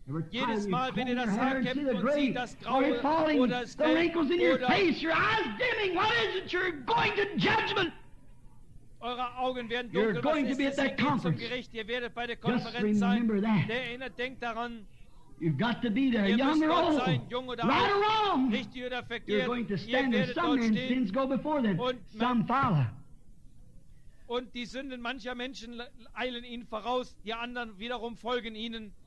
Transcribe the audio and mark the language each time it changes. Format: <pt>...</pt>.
<de>Jedes Mal, wenn ihr das Haar kämmt und sieht, das Graue oder es fällt, oder eure Augen werden dunkel, was ist es, ihr geht zum Gericht, ihr werdet bei der Konferenz sein, der erinnert, denkt daran,</de> <en>you've got to be there, young or old,</en> <de>sein, jung oder</de> <en>right</en> <de>alt,</de> <en>or wrong,</en> <de>richtig oder verkehrt,</de> <en>you're going to stand there, some man's sins go before them, some follow.</en> <de>Und die Sünden mancher Menschen eilen ihnen voraus, die anderen wiederum folgen ihnen.</de>